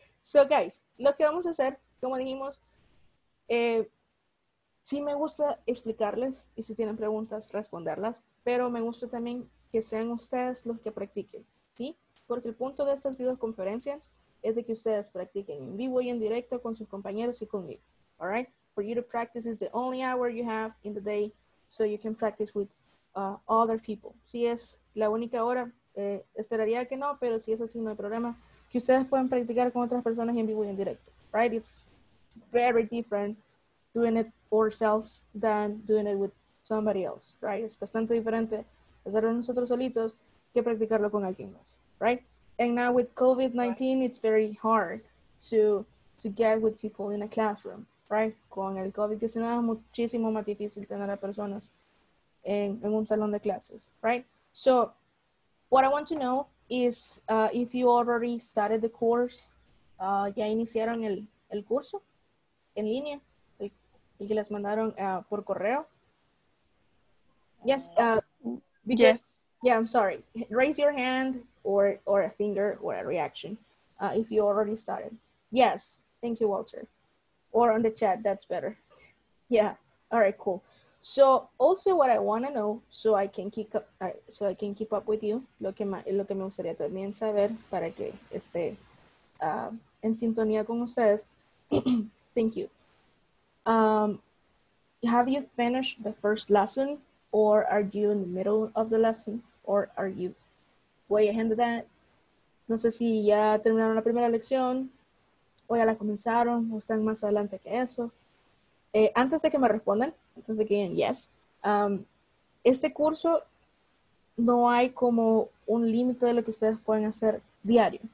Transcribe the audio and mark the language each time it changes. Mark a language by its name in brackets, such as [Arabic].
[Spanish] So, guys, lo que vamos a hacer, como dijimos, sí me gusta explicarles y si tienen preguntas, responderlas, pero me gusta también que sean ustedes los que practiquen, ¿sí? Porque el punto de estas videoconferencias es de que ustedes practiquen en vivo y en directo con sus compañeros y conmigo, ¿all right? [English] For you to practice is the only hour you have in the day so you can practice with other people. [Spanish] Si es la única hora, esperaría que no, pero si es así, no hay problema. Que ustedes pueden practicar con otras personas en vivo y en directo, right? [English] It's very different doing it ourselves than doing it with somebody else, right? [Spanish] Es bastante diferente hacerlo nosotros solitos que practicarlo con alguien más, right? [English] And now with COVID-19, it's very hard to get with people in a classroom, right? [Spanish] Con el COVID-19 es muchísimo más difícil tener a personas en un salón de clases, right? [English] So, what I want to know is if you already started the course, ya iniciaron el curso en línea, el que les mandaron por correo. Yes, yes. Yeah, I'm sorry. Raise your hand or a finger or a reaction if you already started. Yes, thank you, Walter. Or on the chat, that's better. Yeah, all right, cool. So also what I want to know so I can keep up with you, lo que me gustaría también saber para que esté en sintonía con ustedes. Thank you. Have you finished the first lesson or are you in the middle of the lesson or are you way ahead of that? [Spanish] No sé si ya terminaron la primera lección o ya la comenzaron o están más adelante que eso. Antes de que me respondan, antes de que digan yes, este curso no hay como un límite de lo que ustedes pueden hacer diario.